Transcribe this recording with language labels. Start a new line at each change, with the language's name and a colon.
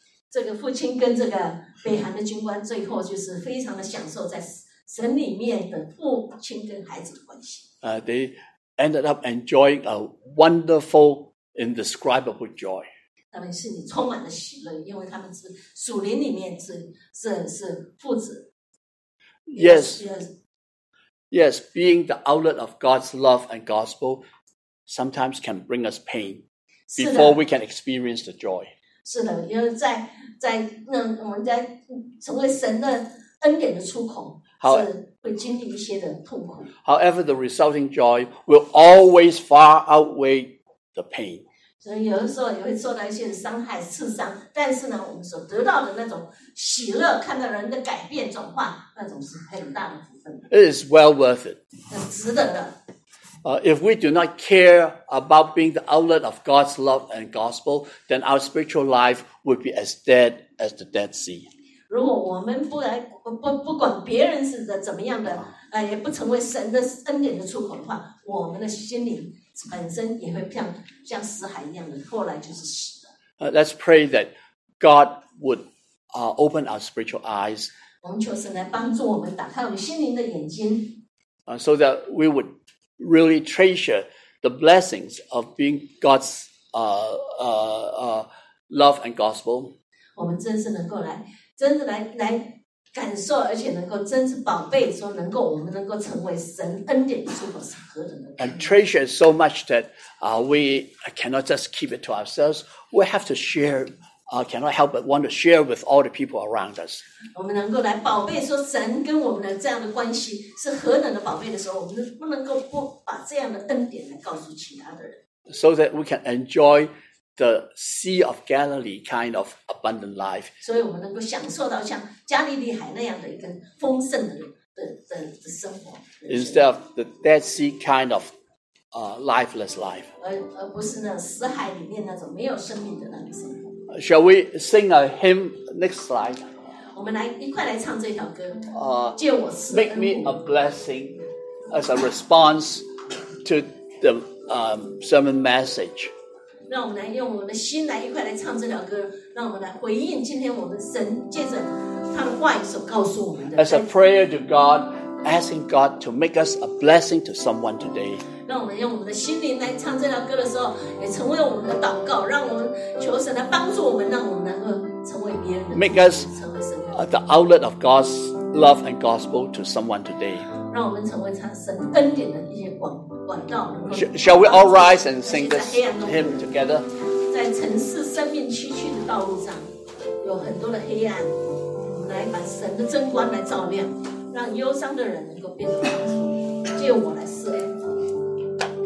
Chinese: 这个父亲跟这个北韩的军官最后就是非常的享受在神里面的父亲跟孩子的关系。
English: They ended up enjoying a wonderful, indescribable joy.
Chinese: 他们心里充满了喜乐，因为他们是属灵里面是父子。
English: Yes. Yes, being the outlet of God's love and gospel sometimes can bring us pain before we can experience the joy.
Chinese: 是的，因为在我们在成为神的恩典的出口是会经历一些的痛苦。
English: However, the resulting joy will always far outweigh the pain.
Chinese: 所以有的时候也会受到一些伤害、刺伤，但是呢，我们所得到的那种喜乐，看到人的改变、转化，那种是很大的福分。
English: It is well worth it.
Chinese: 很值得的。
English: If we do not care about being the outlet of God's love and gospel, then our spiritual life would be as dead as the Dead Sea.
Chinese: 如果我们不来不不管别人是怎么样的，也不成为神的恩典的出口的话，我们的心灵本身也会像死海一样的，后来就是死的。
English: Let's pray that God would open our spiritual eyes.
Chinese: 我们求神来帮助我们打开我们心灵的眼睛。
English: So that we would really treasure the blessings of being God's love and gospel.
Chinese: 我们真是能够来，真是来感受，而且能够真是宝贝，说能够我们能够成为神恩典的出口是何等的。
English: And treasure so much that we cannot just keep it to ourselves. We have to share. Cannot help but want to share with all the people around us.
Chinese: 我们能够来宝贝说神跟我们的这样的关系是何等的宝贝的时候，我们不能够不把这样的恩典来告诉其他的人。
English: So that we can enjoy the Sea of Galilee kind of abundant life.
Chinese: 所以我们能够享受到像加利利海那样的一个丰盛的生活。
English: Instead of the Dead Sea kind of lifeless life.
Chinese: 而不是那死海里面那种没有生命的那种生活。
English: Shall we sing a hymn? Next slide.
Chinese: 我们来一块来唱这条歌。借我赐恩。
English: Make me a blessing as a response to the sermon message.
Chinese: 让我们来用我们的心来一块来唱这条歌，让我们来回应今天我们神借着他的话语所告诉我们的。
English: As a prayer to God, asking God to make us a blessing to someone today.
Chinese: 让我们用我们的心灵来唱这条歌的时候，也成为我们的祷告，让我们求神来帮助我们，让我们能够成为别人的。
English: Make us the outlet of God's love and gospel to someone today.
Chinese: 让我们成为神恩典的一些管道。
English: Shall we all rise and sing this hymn together?
Chinese: 在城市生命崎岖的道路上，有很多的黑暗，来把神的真光来照亮，让忧伤的人能够变得光明。借我来赐恩。